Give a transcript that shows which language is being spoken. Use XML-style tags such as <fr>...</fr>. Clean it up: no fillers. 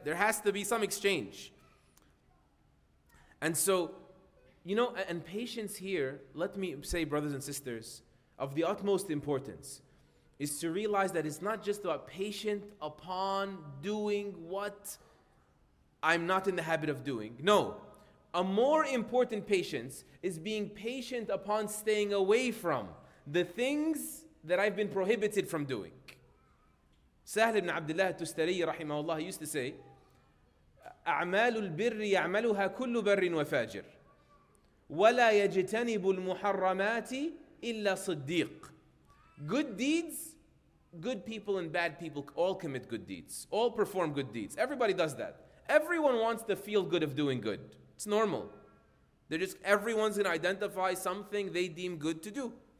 <en>There has to be some exchange. And so, you know, and patience here, let me say, brothers and sisters, of the utmost importance, is to realize that it's not just about patient upon doing what I'm not in the habit of doing. No, a more important patience is being patient upon staying away from the things that I've been prohibited from doing.</en> <ar>Sahl ibn Abdullah al-Tustari, rahimahullah, used to say, أَعْمَالُ الْبِرِّ يَعْمَلُهَا كُلُّ بَرٍ وَفَاجِرٍ وَلَا يَجْتَنِبُ الْمُحَرَّمَاتِ إِلَّا صِدِّيقٍ.</ar> <en>Good deeds, good people and bad people all commit good deeds. All perform good deeds. Everybody does that. Everyone wants to feel good of doing good. It's normal. Everyone's going to identify something they deem good to do.</en>